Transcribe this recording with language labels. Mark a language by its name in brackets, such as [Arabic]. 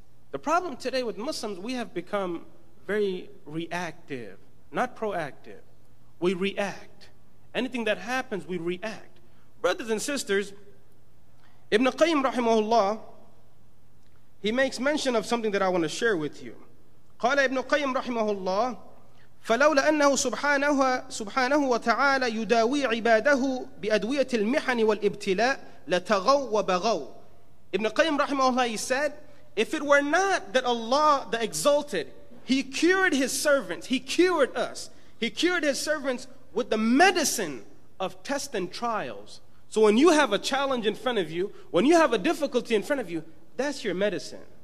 [English] The problem today with Muslims, we have become very reactive, not proactive. We react. Anything that happens, we react. Brothers and sisters, Ibn Qayyim rahimahullah, he makes mention of something that I want to share with you. [Arabic] قال ابن قيم رحمه الله فلولا أنه سبحانه وتعالى يداوي عباده بأدوية المحن والابتلاء لتغو وبغو. [English] Ibn Qayyim رحمه الله, he said, if it were not that Allah the Exalted, he cured his servants, he cured us, he cured his servants with the medicine of tests and trials. So when you have a challenge in front of you, when you have a difficulty in front of you, that's your medicine.